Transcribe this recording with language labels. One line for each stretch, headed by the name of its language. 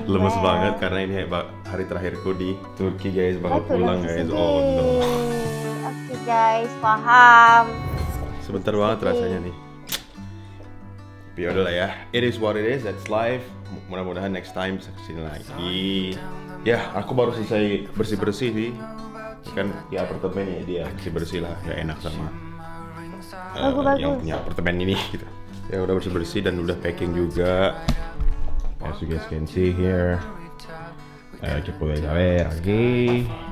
Indonesian: well. Lemes banget karena ini hari terakhirku di Turki guys, bakal pulang guys.
English: Oh no.
Indonesian: Okay guys, paham. Sebentar banget rasanya nih. Tapi yaudah lah ya,
English: it is what it is, that's life.
Indonesian: Mudah-mudahan
English: next time
Indonesian: bisa kesini lagi. Yah, aku baru selesai bersih-bersih sih. Kan di apartemen ya dia, bersih-bersih lah, gak enak sama yang punya apartemen ini gitu. Ya udah bersih-bersih dan udah packing juga.
English: As you guys can see here,
Indonesian: cepu aja lagi.